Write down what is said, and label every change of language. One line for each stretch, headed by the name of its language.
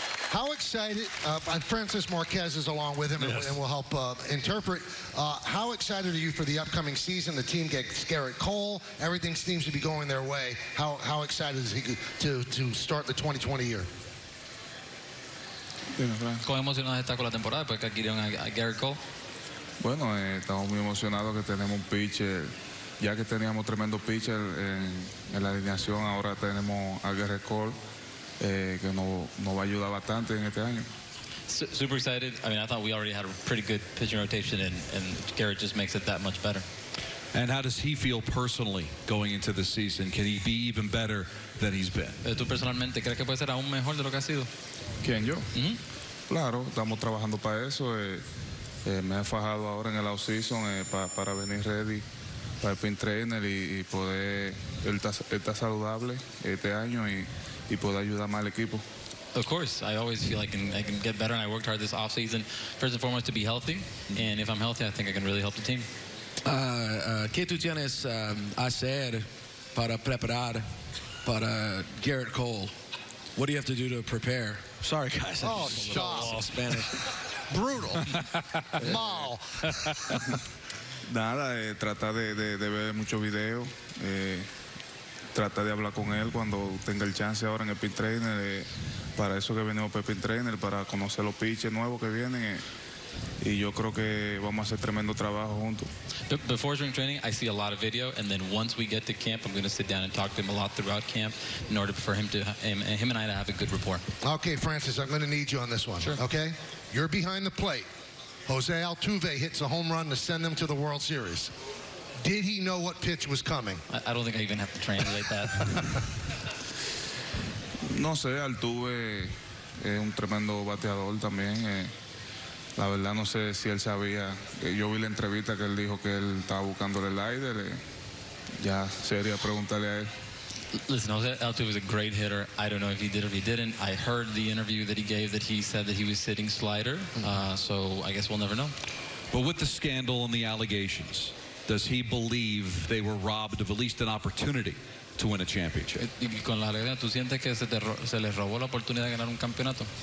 English: How excited, Francis Marquez is along with him, yes, and will help interpret. How excited are you for the upcoming season? The team gets Garrett Cole. Everything seems to be going their way. How excited is he to start the 2020 year?
Spanish: ¿Cómo emocionado está con la temporada después que adquirieron a Garrett Cole? Bueno, estamos muy emocionados que tenemos un pitcher. Ya que teníamos tremendo pitcher en la alineación, ahora tenemos a Garrett Cole. Que no va a ayudar bastante en este año.
English: Super excited. I mean, I thought we already had a pretty good pitching rotation, and Garrett just makes it that much better. And how does he feel personally going into the season? Can he be even better than he's been? ¿Tú personalmente crees que puede ser aún mejor de lo que ha sido?
Spanish: ¿Quién, yo? Mm-hmm. Claro, estamos trabajando para eso. Me he fajado ahora en el off-season para venir ready para el spring trainer y poder estar saludable este año y poder ayudar más al equipo.
English: Of course, I always feel like I can get better, and I worked hard this offseason first and foremost to be healthy, and if I'm healthy, I think I can really help the team.
Spanish: ¿Qué tú tienes hacer para preparar para Garrett Cole?
English: What do you have to do to prepare? Sorry, guys. Oh, stop. Spanish.
Spanish: Brutal. Mal. Nada, tratar de ver muchos videos. Trata de hablar con él cuando tenga el chance ahora en el pitch trainer. Para eso que venimos para el pitch trainer, para conocer los pitches nuevos que vienen. Y yo creo que vamos a hacer tremendo trabajo juntos.
English: Before spring training, I see a lot of video. And then once we get to camp, I'm going to sit down and talk to him a lot throughout camp in order for him and I to have a good rapport. Okay, Francis, I'm going to need you on this one. Sure. Okay? You're behind the plate. Jose Altuve hits a home run to send them to the World Series. Did he know what pitch was coming? I don't think I even have to translate that.
Spanish: No sé, Altuve es un tremendo bateador también. La verdad no sé si él sabía. Yo vi la entrevista que él dijo que él estaba buscando el slider. Ya sería preguntarle a él.
English: Listen, Jose Altuve is a great hitter. I don't know if he did or if he didn't. I heard the interview that he gave that he said that he was sitting slider. So I guess we'll never know. But with the scandal and the allegations, does he believe they were robbed of at least an opportunity to win a championship?
Spanish: ¿Y con las alegaciones, tú sientes que se les robó la oportunidad de ganar un campeonato?